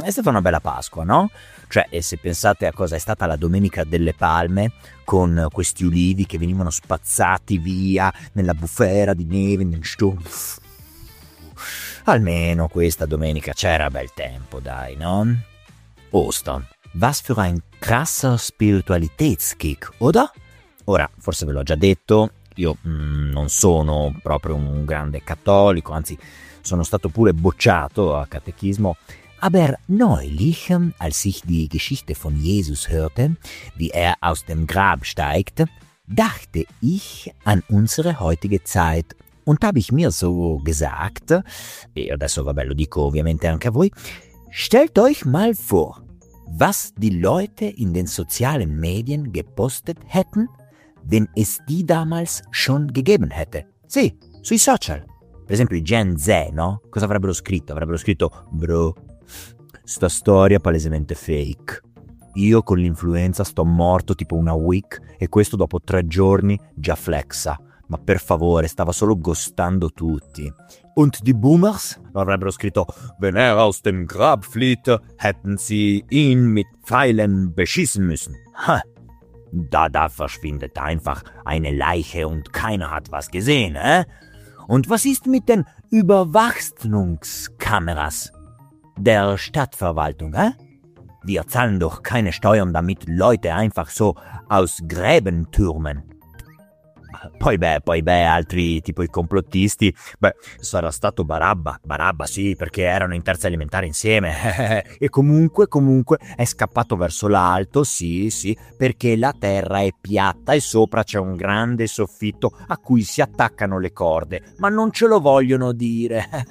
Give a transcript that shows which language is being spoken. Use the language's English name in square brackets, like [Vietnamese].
[Italian] È stata una bella Pasqua, no? Cioè, e se pensate a cosa è stata la Domenica delle Palme, con questi ulivi che venivano spazzati via nella bufera di neve, nel Sturm. Almeno questa domenica c'era bel tempo, dai, no? [German] Ostern. Was für ein krasser Spiritualitätskick, oder? [Italian] Ora, forse ve l'ho già detto, io non sono proprio un grande cattolico, anzi, sono stato pure bocciato a catechismo. [German] Aber neulich, als ich die Geschichte von Jesus hörte, wie er aus dem Grab steigt, dachte ich an unsere heutige Zeit. Und habe ich mir so gesagt, [Italian] e adesso vabbè lo dico ovviamente anche a voi, [German] stellt euch mal vor, was die Leute in den sozialen Medien gepostet hätten, wenn es die damals schon gegeben hätte. [Italian] Sì, sui social. Per esempio i Gen Z, no? Cosa avrebbero scritto? Avrebbero scritto, bro, sta storia palesemente fake. Io con l'influenza sto morto tipo una week e questo dopo 3 giorni già flexa. Ma per favore, stava solo gustando tutti. [German] Und die Boomers? [Italian] Avrebbero scritto, [German] wenn er aus dem Grab flieht, hätten sie ihn mit Pfeilen beschießen müssen. Ha. Da verschwindet einfach eine Leiche und keiner hat was gesehen, eh? Und was ist mit den Überwachungskameras der Stadtverwaltung, eh? Wir zahlen doch keine Steuern, damit Leute einfach so aus Gräben türmen. [Italian] Poi beh, altri tipo i complottisti, beh, sarà stato Barabba sì, perché erano in terza elementare insieme, e comunque è scappato verso l'alto, sì, perché la terra è piatta e sopra c'è un grande soffitto a cui si attaccano le corde, ma non ce lo vogliono dire.